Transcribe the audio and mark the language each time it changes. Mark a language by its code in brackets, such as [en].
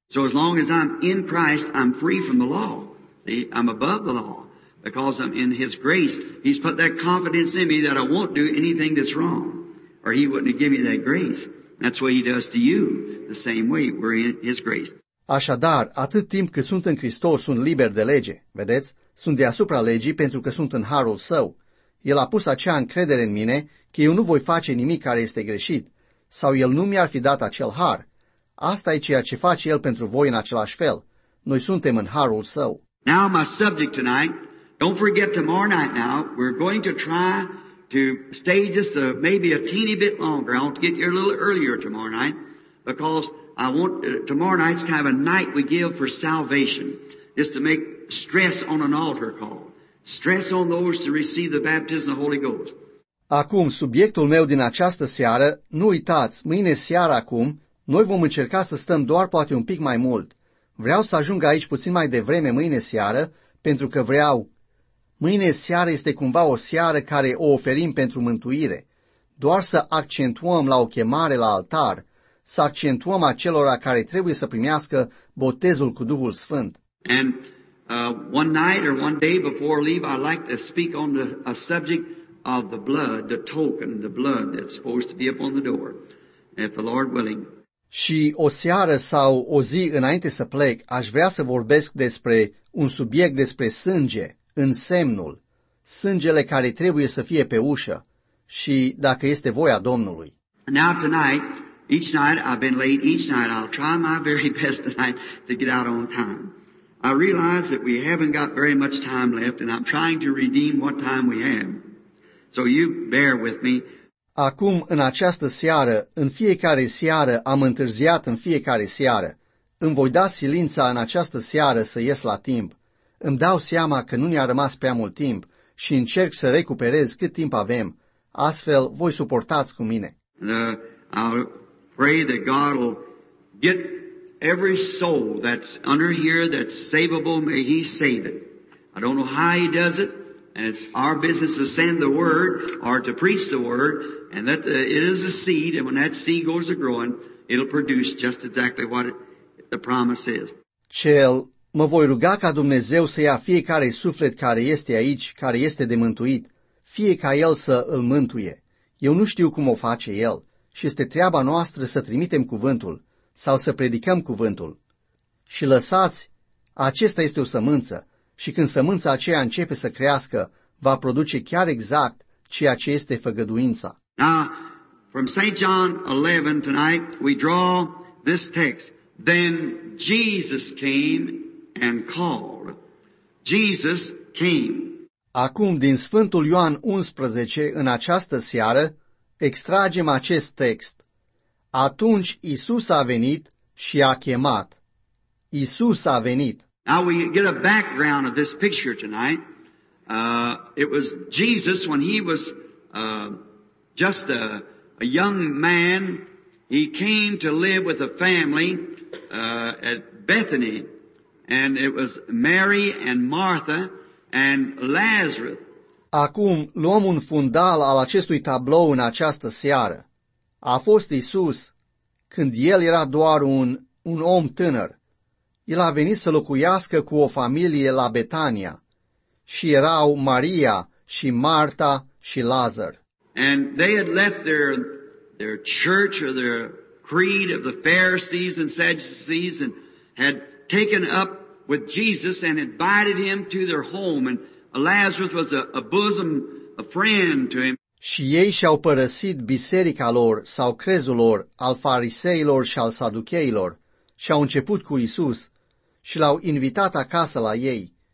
[en] So as long as I'm in Christ, I'm free from the law. See, I'm above the law because I'm in His grace. He's put that confidence in me that I won't do anything that's wrong, or He wouldn't give me that grace. That's what He does to you the same way. We're in His grace. [ro] Așadar, atât timp cât sunt în Hristos, sunt liber de lege. Vedeți? Sunt deasupra legii pentru că sunt în harul Său. El a pus acea încredere în mine că eu nu voi face nimic care este greșit, sau El nu mi-ar fi dat acel har. Asta e ceea ce face El pentru voi în același fel. Noi suntem în harul Său. [en] Now my subject tonight, don't forget tomorrow night now, we're going to try to stay just a, maybe a teeny bit longer. I want to get here a little earlier tomorrow night because I want, tomorrow night's kind of a night we give for salvation, just to make stress on an altar call. Stress on those to receive the baptism of the Holy Ghost. [ro] Acum, subiectul meu din această seară, nu uitați, mâine seara acum, noi vom încerca să stăm doar poate un pic mai mult. Vreau să ajung aici puțin mai devreme mâine seară, pentru că vreau. Mâine seară este cumva o seară care o oferim pentru mântuire. Doar să accentuăm la o chemare la altar, să accentuăm acelora care trebuie să primească botezul cu Duhul Sfânt. [en] And one night or one day before leave, I like to speak on the a subject of the blood, the token, the blood that's supposed to be upon the door, if the Lord willing. [ro] Și o seară sau o zi înainte să plec, aș vrea să vorbesc despre un subiect despre sânge, în semnul, sângele care trebuie să fie pe ușă și dacă este voia Domnului. [en] Now tonight, each night I've been late, each night I'll try my very best tonight to get out on time. I realize that we haven't got very much time left and I'm trying to redeem what time we have. So you bear with me. [ro] Acum, în această seară, în fiecare seară, am întârziat în fiecare seară. Îmi voi da silința în această seară să ies la timp. Îmi dau seama că nu ne-a rămas prea mult timp și încerc să recuperez cât timp avem. Astfel, voi suportați cu mine. [en] I'll pray that God will get every soul that's under here that's savable, may He save it. I don't know how He does it, and it's our business to send the word or to preach the word. And that it is a seed, and when that seed goes to growing, it'll produce just exactly what the promise is. [ro] Cel, mă voi ruga ca Dumnezeu să ia fiecare suflet care este aici, care este de mântuit, fie ca El să îl mântuie. Eu nu știu cum o face El, și este treaba noastră să trimitem cuvântul, sau să predicăm cuvântul. Și lăsați, acesta este o sămânță, și când sămânța aceea începe să crească, va produce chiar exact ceea ce este făgăduința. [en] Now, from St. John 11 tonight, we draw this text. Then Jesus came and called. Jesus came. [ro] Acum, din Sfântul Ioan 11, în această seară, extragem acest text. Atunci Iisus a venit și a chemat. Iisus a venit. [en] Now we get a background of this picture tonight. It was Jesus when he was... Just a young man, he came to live with a family at Bethany, and it was Mary and Martha and Lazarus. [ro] Acum luăm un fundal al acestui tablou în această seară. A fost Iisus când el era doar un om tânăr. El a venit să locuiască cu o familie la Betania și erau Maria și Marta și Lazar. [en] And they had left their church or their creed of the Pharisees and Sadducees and had taken up with Jesus and invited him to their home. And Lazarus was a bosom, a friend to him. [ro] Și ei și-au părăsit biserica lor sau crezul lor al fariseilor și al saducheilor și au început cu Iisus și l-au invitat acasă la ei.